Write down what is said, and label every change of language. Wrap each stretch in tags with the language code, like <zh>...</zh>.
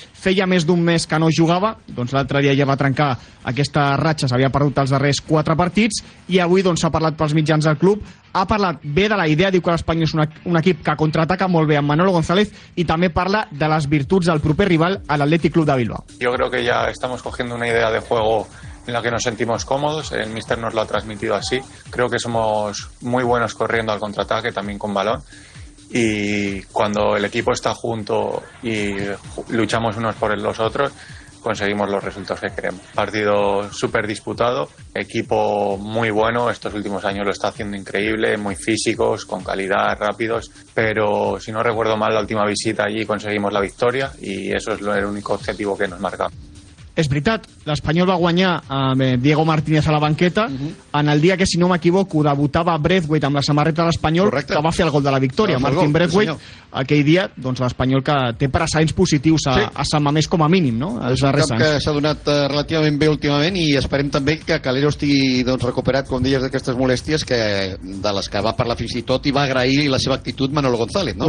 <ca>Feia més d'un mes que no jugava, doncs l'altre dia ja va trencar aquesta ratxa, s'havia perdut els darrers 4 partits i avui doncs, ha parlat pels mitjans del club. Ha parlat bé de la idea, diu que l'Espanyol és un equip que contraataca molt bé amb Manolo González i també parla de les virtuts del proper rival, l'Athletic Club de Bilbao.</ca> <es>Yo creo que ya estamos cogiendo una idea de juego en la que nos sentimos cómodos, el míster nos lo ha transmitido así. Creo que somos muy buenos corriendo al contraataque, también con balón. Y cuando el equipo está junto y luchamos unos por los otros, conseguimos los resultados que queremos. Partido súper disputado, equipo muy bueno, estos últimos años lo está haciendo increíble, muy físicos, con calidad, rápidos, pero si no recuerdo mal, la última visita allí conseguimos la victoria y eso es el único objetivo que nos marca.</es> <ca>És veritat, l'Espanyol va guanyar amb Diego Martínez a la banqueta en el dia que, si no m'equivoco, debutava Braithwaite amb la samarreta de l'Espanyol, que va fer el gol de la victòria. Martín Braithwaite, aquell dia, doncs l'Espanyol que té precedents positius a Sant Mamés com a mínim, no? És un camp que s'ha donat relativament bé últimament i esperem també que Calero estigui doncs, recuperat, com deies, d'aquestes molèsties que, de les que va parlar fins i tot i va agrair la seva actitud Manolo González, no?</ca>